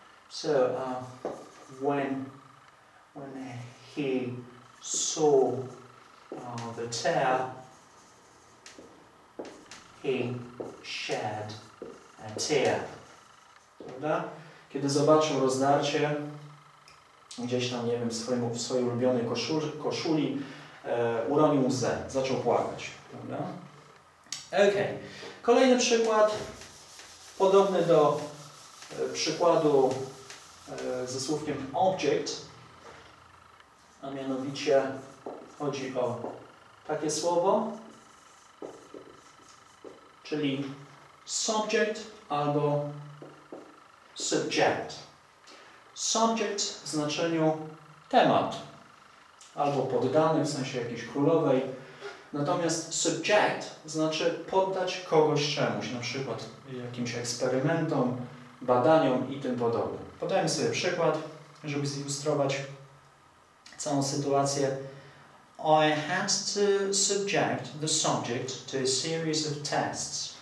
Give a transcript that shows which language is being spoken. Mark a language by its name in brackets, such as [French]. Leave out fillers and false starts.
[English] So, when he saw the tear, he shed tear. [Polish] Prawda? Kiedy zobaczył rozdarcie gdzieś tam, nie wiem, w swojej ulubionej koszuli, uronił łzę, zaczął płakać. Prawda? Ok. Kolejny przykład, podobny do przykładu ze słówkiem object, a mianowicie chodzi o takie słowo, czyli subject albo subject. Subject w znaczeniu temat albo poddany, w sensie jakiejś królowej. Natomiast subject znaczy poddać kogoś czemuś, na przykład jakimś eksperymentom, badaniom i tym podobnym. Podajmy sobie przykład, żeby zilustrować całą sytuację. [English] I had to subject the subject to a series of tests.